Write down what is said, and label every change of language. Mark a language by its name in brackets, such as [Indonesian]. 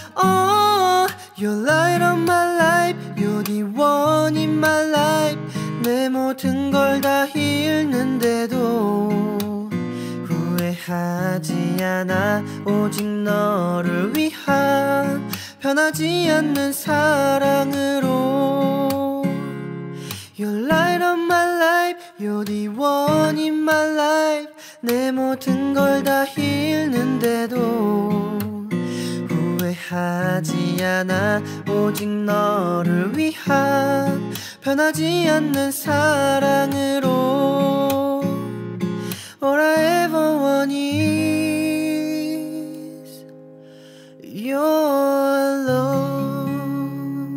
[English] Oh, you light up my life, you're the one in my life. [Korean] 내 모든 걸 다 잃는데도 후회하지 않아. 오직 너를 위한 변하지 않는 사랑으로. [English] You light up my life, you're the one in my life. [Korean] 내 모든 걸 다 잃는데도 후회하지 않아. 오직 너를 위한 변하지 않는 사랑으로. [English] All I ever want is your love.